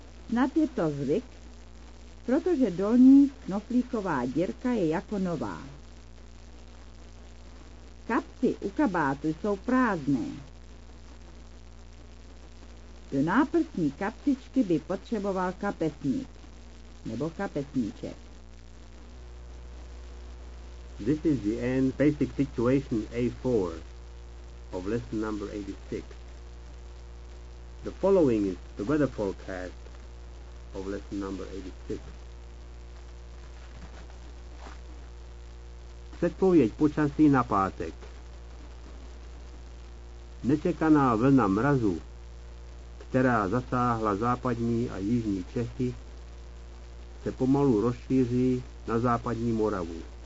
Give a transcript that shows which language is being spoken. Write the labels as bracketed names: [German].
[Czech] Snad je to zvyk, protože dolní knoflíková dírka je jako nová. Kapsy u kabátu jsou prázdné. Do náprstní kapsičky by potřeboval kapesník nebo kapesníček. [English] This is the end basic situation A4 of lesson number 86. The following is the weather forecast of lesson number 86. [Czech] Předpověď počasí na pátek. Nečekaná vlna mrazu, která zasáhla západní a jižní Čechy, se pomalu rozšíří na západní Moravu.